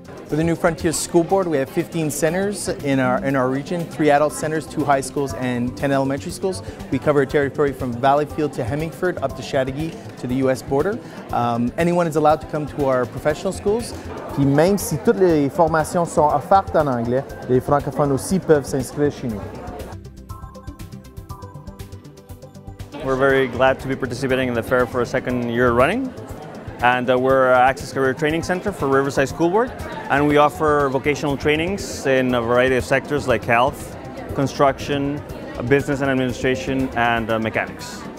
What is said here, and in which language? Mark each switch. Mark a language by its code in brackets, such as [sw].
[en] For the New Frontier School Board, we have 15 centers in our region, 3 adult centers, 2 high schools, and 10 elementary schools. We cover a territory from Valleyfield to Hemingford, up to Chateauguay, to the U.S. border. Anyone is allowed to come to our professional schools. [fr] Puis même si toutes les formations sont offertes en anglais, les francophones aussi peuvent s'inscrire chez nous. [en] We're very glad to be participating in the fair for a second year running. And we're an Access Career Training Center for Riverside School Board. And we offer vocational trainings in a variety of sectors like health, construction, business and administration, and mechanics.